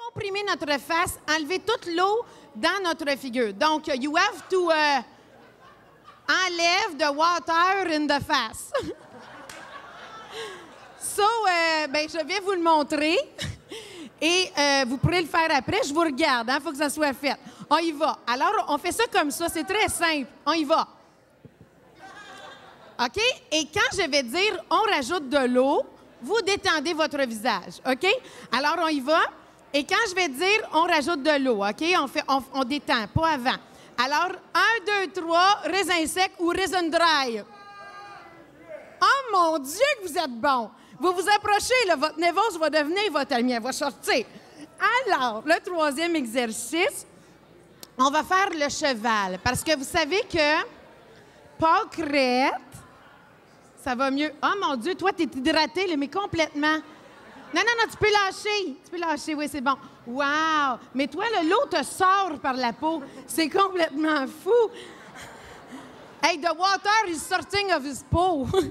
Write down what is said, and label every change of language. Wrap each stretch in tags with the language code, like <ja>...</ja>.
<fr>comprimer notre face, enlever toute l'eau dans notre figure.</fr> <en>Donc, you have to</en> <fr>enlève</fr> <en>the water in the face.</en> <fr>So, ben, je vais vous le montrer et vous pourrez le faire après. Je vous regarde, hein? Faut que ça soit fait. On y va. Alors, on fait ça comme ça, c'est très simple. On y va. OK? Et quand je vais dire « on rajoute de l'eau », vous détendez votre visage, OK? Alors, on y va. Et quand je vais dire « on rajoute de l'eau », OK? On détend, pas avant. Alors, un, deux, trois, raisin sec ou raisin dry. Oh mon Dieu que vous êtes bon! Vous vous approchez, là, votre névose va devenir votre ami, elle va sortir. Alors, le troisième exercice, on va faire le cheval. Parce que vous savez que pâquerette, ça va mieux. Oh mon Dieu, toi, t'es hydraté, mais complètement. Non, non, non, tu peux lâcher. Tu peux lâcher, oui, c'est bon. Wow! Mais toi, là, l'eau te sort par la peau. C'est complètement fou.</fr> <en>Hey, the water is sorting of his pool.</en>